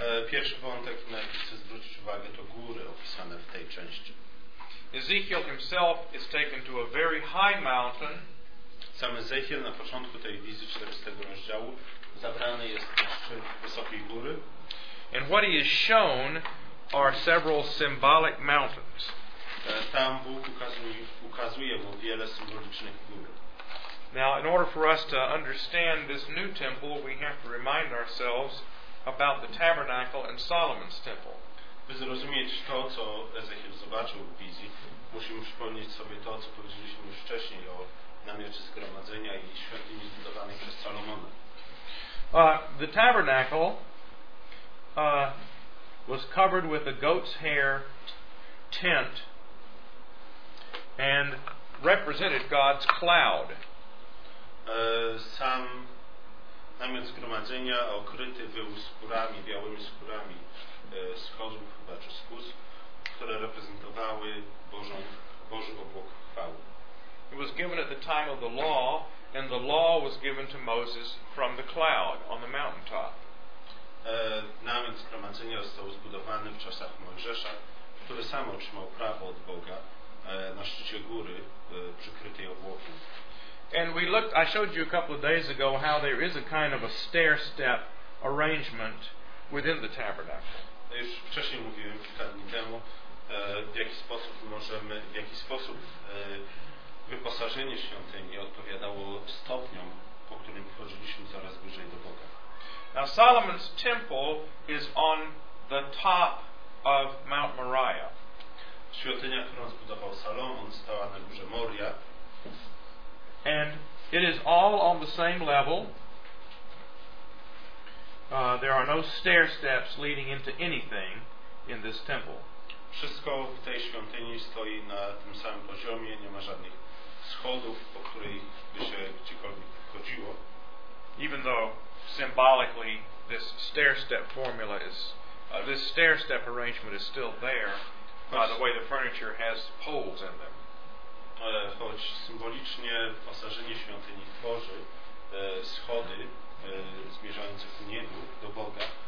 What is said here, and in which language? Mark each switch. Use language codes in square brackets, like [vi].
[pl] Pierwszy wątek, na jaki chcę zwrócić uwagę, to góry opisane w tej części. [en] Ezekiel himself is taken to a very high mountain. [pl] Sam Ezechiel na początku tej wizji 40 rozdziału zabrany jest na szczyt wysokiej góry. [en] And what he is shown are several symbolic mountains. [pl] Tam Bóg ukazuje mu wiele symbolicznych gór. [en] Now, in order for us to understand this new temple, we have to remind ourselves about the tabernacle and Solomon's temple. [pl] By zrozumieć to, co Ezechiel zobaczył w wizji, musimy przypomnieć sobie to, co powiedzieliśmy już wcześniej o namiocie zgromadzenia i świątyni zbudowanej przez Salomona. [en] The tabernacle was covered with a goat's hair tent and represented God's cloud. [pl] Sam namiot zgromadzenia okryty był skórami, białymi skórami schodów chyba czy skóz, które reprezentowały Boży obłok chwały. [en] It was given at the time of the law, and the law was given to Moses from the cloud on the mountaintop. [pl] Namiot zgromadzenia został zbudowany w czasach Mojżesza, który sam otrzymał prawo od Boga na szczycie góry przykrytej obłokiem. [en] And we looked, I showed you a couple of days ago how there is a kind of a stair step arrangement within the tabernacle. [pl] Już wcześniej mówiłem kilka dni temu, w jaki sposób wyposażenie świątyni odpowiadało stopniom, po którym wchodziliśmy coraz bliżej do Boga. [en] Now Solomon's temple is on the top of Mount Moriah. [pl] Świątynia, którą zbudował Salomon, stała na górze Moria. [en] And it is all on the same level. There are no stair steps leading into anything in this temple. [pl] Wszystko w tej świątyni stoi na tym samym poziomie, nie ma żadnych schodów, po której by się gdziekolwiek chodziło. [en] Even though symbolically this stair step formula is this stair step arrangement is still there, by the way the furniture has poles in them. [pl] Choć symbolicznie wyposażenie świątyni tworzy schody zmierzające ku niebu, do Boga,